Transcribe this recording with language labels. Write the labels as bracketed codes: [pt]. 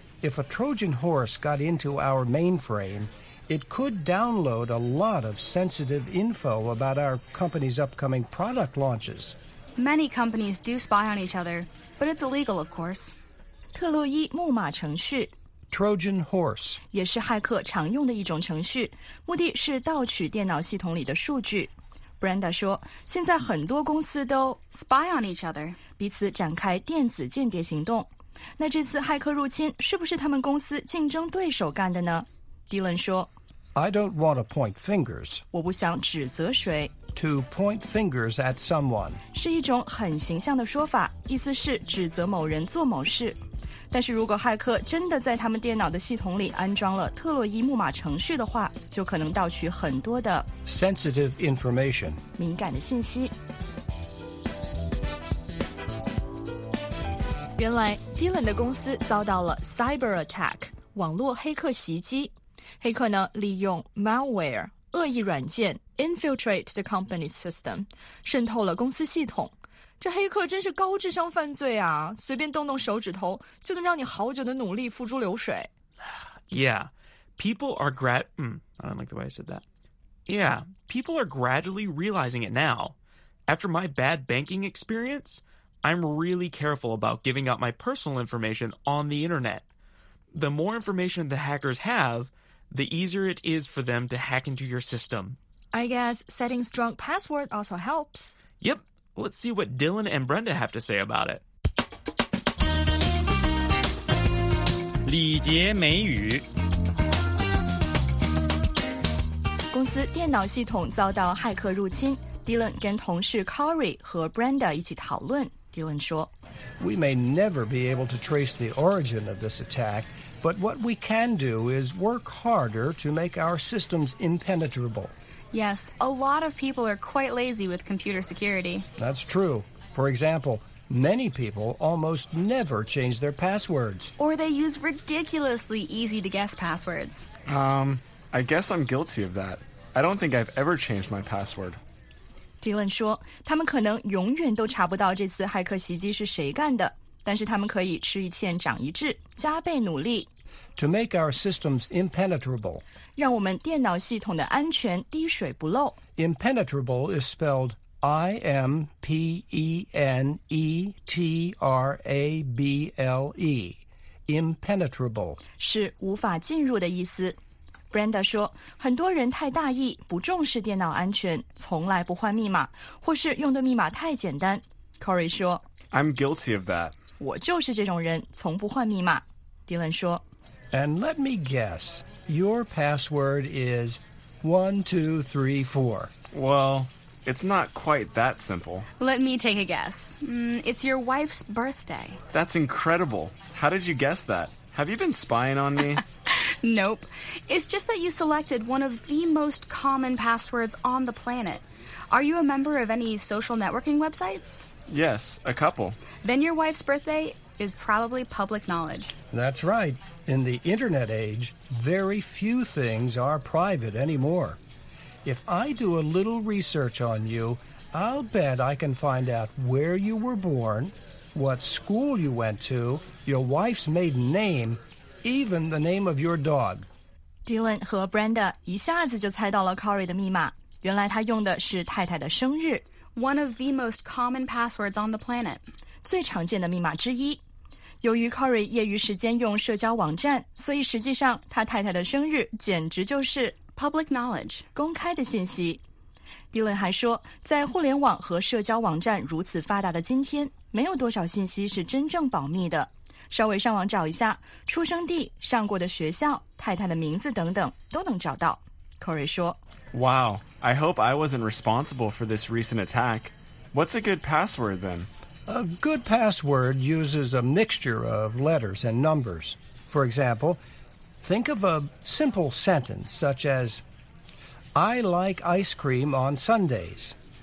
[en] If a Trojan horse got into our mainframe, it could download a lot of sensitive info about our company's upcoming product launches. Many companies do spy on each other, but it's illegal, of course. [zh] 特洛伊木马程序 [en] Trojan horse [zh] 也是骇客常用的一种程序，目的是盗取电脑系统里的数据。 Brenda 说，现在很多公司都 [en] spy on each other, [zh] 彼此展开电子间谍行动。那这次骇客入侵是不是他们公司竞争对手干的呢？ Dylan 说， [en] I don't want to point fingers. [zh] 我不想指责谁。 [en] To point fingers at someone [zh] 是一种很形象的说法，意思是指责某人做某事。但是如果骇客真的在他们电脑的系统里安装了特洛伊木马程序的话，就可能盗取很多的 [en] sensitive information [zh] 敏感的信息。原来 Dylan 的公司遭到了 [en] cyber attack [zh] 网络黑客袭击，黑客呢利用 malware 恶意软件 [en] infiltrate the company's system [zh] 渗透了公司系统。这黑客真是高智商犯罪啊，随便动动手指头就能让你好久的努力付诸流水。 [en] Yeah, people are I don't like the way I said that. Yeah, people are gradually realizing it now. After my bad banking experienceI'm really careful about giving out my personal information on the internet. The more information the hackers have, the easier it is for them to hack into your system. I guess setting strong password also helps. Yep. Let's see what Dylan and Brenda have to say about it. [zh] 礼节美语。公司电脑系统遭到骇客入侵， Dylan 跟同事 Corey 和 Brenda 一起讨论。 Dylan 说， [en] We may never be able to trace the origin of this attack, but what we can do is work harder to make our systems impenetrable. Yes, a lot of people are quite lazy with computer security. That's true. For example, many people almost never change their passwords. Or they use ridiculously easy-to-guess passwords. I guess I'm guilty of that. I don't think I've ever changed my password. [zh] Dylan 说，他们可能永远都查不到这次骇客袭击是谁干的，但是他们可以吃一堑长一智，加倍努力。 [en] To make our systems impenetrable. [zh] 让我们电脑系统的安全滴水不漏。 [en] Impenetrable is spelled I-M-P-E-N-E-T-R-A-B-L-E. Impenetrable. [zh] 是无法进入的意思。 Brenda 说，很多人太大意，不重视电脑安全，从来不换密码，或是用的密码太简单。 Corey 说， [en] I'm guilty of that. [zh] 我就是这种人，从不换密码。 Dylan 说， [en] And let me guess, your password is 1234. Well, it's not quite that simple. Let me take a guess. It's your wife's birthday. That's incredible. How did you guess that? Have you been spying on me? Nope. It's just that you selected one of the most common passwords on the planet. Are you a member of any social networking websites? Yes, a couple. Then your wife's birthday is probably public knowledge. That's right. In the internet age, very few things are private anymore. If I do a little research on you, I'll bet I can find out where you were born, what school you went to, your wife's maiden name, even the name of your dog. [zh] Dylan 和 Brenda 一下子就猜到了 Corey 的密码，原来他用的是太太的生日。 [en] One of the most common passwords on the planet. [zh] 最常见的密码之一。由于 Corey 业余时间用社交网站，所以实际上他太太的生日简直就是 [en] public knowledge, [zh] 公开的信息。 Dylan 还说，在互联网和社交网站如此发达的今天，没有多少信息是真正保密的。稍微上网找一下，出生地、上过的学校、太太的名字等等，都能找到。 Corey 说 [en] Wow, I hope I wasn't responsible for this recent attack. What's a good password, then? A good password uses a mixture of letters and numbers. For example, think of a simple sentence such as, I like ice cream on Sundays.